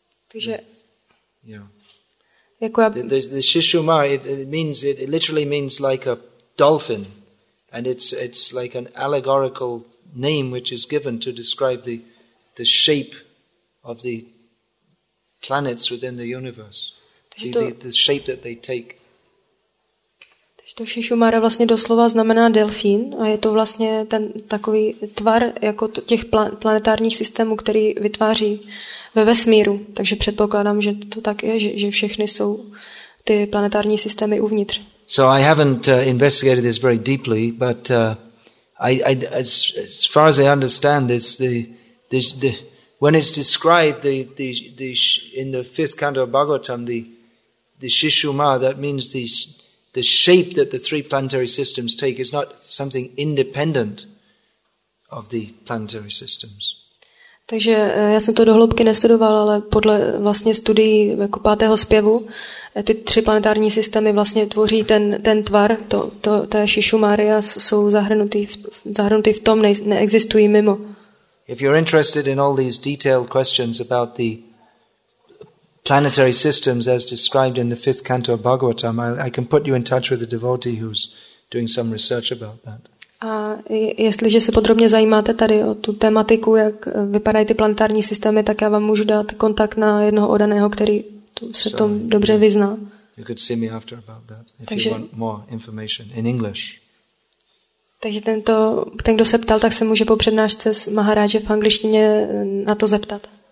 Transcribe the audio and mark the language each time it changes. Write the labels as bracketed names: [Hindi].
[English] The Shishuma, it literally means like a dolphin, and it's like an allegorical name which is given to describe the shape of the planets within the universe. The shape that they take. [Czech] Takže to Šišumára vlastně doslova znamená delfín a je to vlastně ten takový tvar jako těch planetárních systémů, který vytváří ve vesmíru. Takže předpokládám, že to tak je, že všechny jsou ty planetární systémy uvnitř. [English] So I haven't investigated this very deeply, but I as far as I understand this, the when it's described in the fifth canto of Bhagavatam, the Shishuma, that means the shape that the three planetary systems take is not something independent of the planetary systems. [Czech] Takže já jsem to do hloubky nestudoval, ale podle vlastně studií jako pátého zpěvu ty tři planetární systémy vlastně tvoří ten tvar, to Shishumária jsou zahrnutý v tom, neexistují mimo. [English] If you're interested in all these detailed questions about the planetary systems as described in the fifth canto of Bhagavatam, I can put you in touch with a devotee who's doing some research about that. [Czech] A jestliže se podrobně zajímáte tady o tu tematiku, jak vypadají ty planetární systémy, tak já vám můžu dát kontakt na jednoho odaného, který se tom dobře vyzná. [English] You could see me after about that if you want more information in English. [Czech] Takže ten, kdo se ptal, tak se může po přednášce s Maharáže v angličtině na to zeptat.